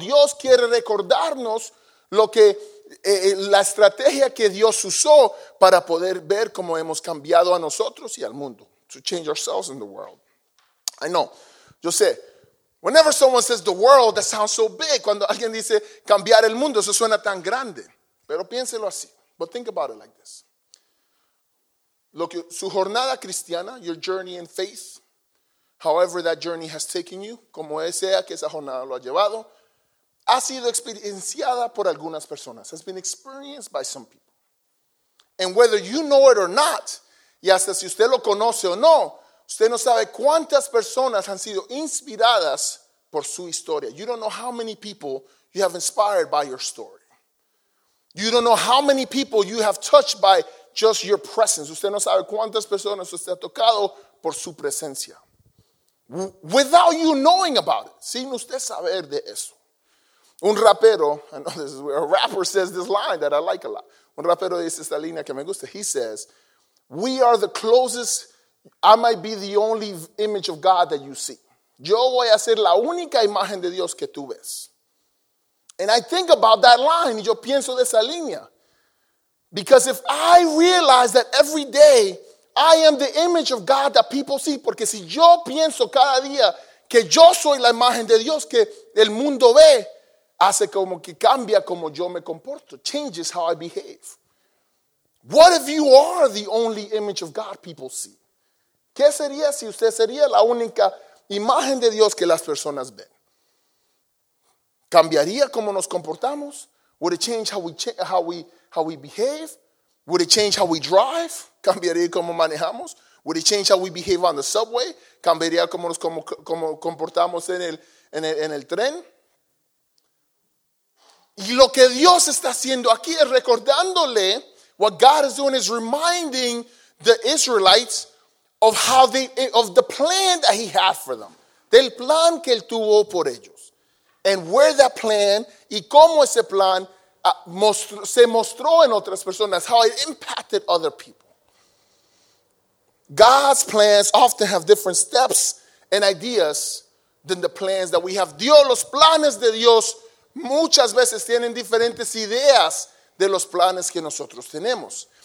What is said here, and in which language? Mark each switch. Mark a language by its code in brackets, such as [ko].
[es] Dios quiere recordarnos lo que la estrategia que Dios usó para poder ver cómo hemos cambiado a nosotros y al mundo, [en] to change ourselves and the world. I know, [es] yo sé, [en] whenever someone says the world, that sounds so big. [es] Cuando alguien dice cambiar el mundo, eso suena tan grande. Pero piénselo así. [en] But think about it like this. [es] Lo que, su jornada cristiana, [en] your journey in faith, however that journey has taken you, [es] como sea que esa jornada lo ha llevado, ha sido experienciada por algunas personas. [en] Has been experienced by some people. And whether you know it or not, [es] y hasta si usted lo conoce o no, usted no sabe cuántas personas han sido inspiradas por su historia. [en] You don't know how many people you have inspired by your story. You don't know how many people you have touched by just your presence. [es] Usted no sabe cuántas personas usted ha tocado por su presencia. [en] Without you knowing about it. [es] Sin usted saber de eso. Un rapero, [en] I know this is where a rapper says this line that I like a lot. [es] Un rapero dice esta línea que me gusta. [en] He says, we are the closest. I might be the only image of God that you see. [es] Yo voy a ser la única imagen de Dios que tú ves. [en] And I think about that line. [es] Yo pienso de esa línea. [en] Because if I realize that every day I am the image of God that people see. [es] Porque si yo pienso cada día que yo soy la imagen de Dios que el mundo ve, hace como que cambia como yo me comporto. [en] Changes how I behave. What if you are the only image of God people see? [es] ¿Qué sería si usted sería la única imagen de Dios que las personas ven? ¿Cambiaría cómo nos comportamos? [en] Would it change how we behave? Would it change how we drive? [es] ¿Cambiaría cómo manejamos? [en] Would it change how we behave on the subway? [es] ¿Cambiaría cómo nos comportamos en el tren? Y lo que Dios está haciendo aquí es recordándole, [en] what God is doing is reminding the Israelites of how they, of the plan that he had for them. [es] Del plan que él tuvo por ellos. [en] And where that plan, [es] y cómo ese plan se mostró en otras personas, [en] how it impacted other people. God's plans often have different steps and ideas than the plans that we have. [es] Dios, los planes de Dios muchas veces tienen diferentes ideas de los planes que nosotros tenemos.